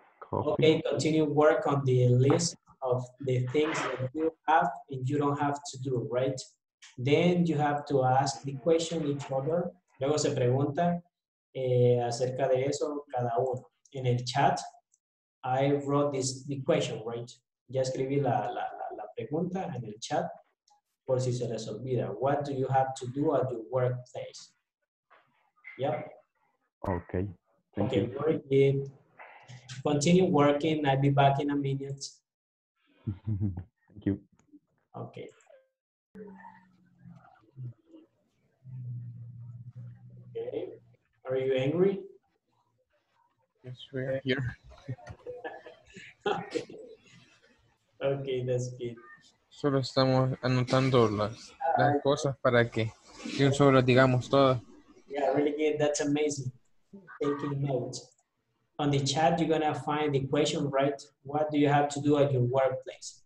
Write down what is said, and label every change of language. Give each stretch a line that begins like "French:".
English: Okay, continue work on the list of the things that you have and you don't have to do, right? Then you have to ask the question each other.
Spanish: Luego se pregunta acerca de eso cada uno en el chat.
English: I wrote this the question, right?
Spanish: Ya escribí la pregunta en el chat por si se les olvida.
English: What do you have to do at your workplace? Yep. Okay. Thank you. Very good. Continue working. I'll be back in a minute. Thank you. Okay. Okay. Are you angry? Yes, we are here. Okay, that's good.
Spanish: Solo estamos anotando las cosas para que solo digamos todas.
English: Yeah, really good. That's amazing. Taking notes. On the chat, you're going to find the question, right? What do you have to do at your workplace?